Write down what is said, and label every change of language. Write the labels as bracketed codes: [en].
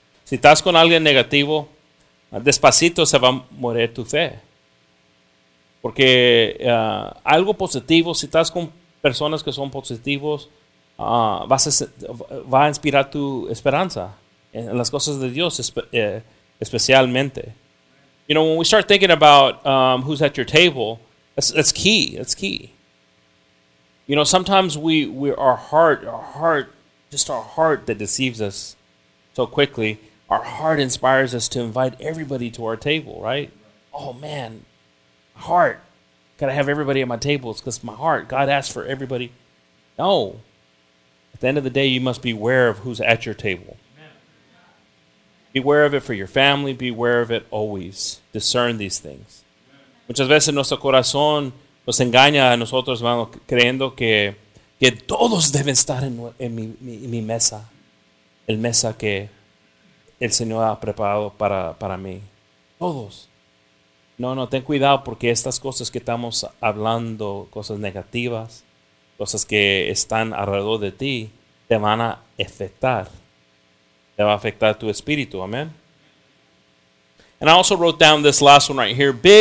[es] Si estás con alguien negativo, despacito se va a morir tu fe. Porque algo positivo, si estás con personas que son positivos, va a inspirar tu esperanza en las cosas de Dios, especialmente. [en] You know, when we start thinking about who's at your table, that's key. That's key. You know, sometimes our heart that deceives us so quickly, our heart inspires us to invite everybody to our table, right? Oh, man, heart. Can I have everybody at my table? It's because my heart, God asked for everybody. No. At the end of the day, you must beware of who's at your table. Beware of it for your family. Beware of it always. Discern these things. [es] Muchas veces nuestro corazón nos engaña a nosotros, hermano, creyendo que todos deben estar en mi mesa. El mesa que el Señor ha preparado para mí. Todos. No, ten cuidado porque estas cosas que estamos hablando, cosas negativas, cosas que están alrededor de ti, te van a afectar. Te va a afectar tu espíritu, amen. [en] And I also wrote down this last one right here.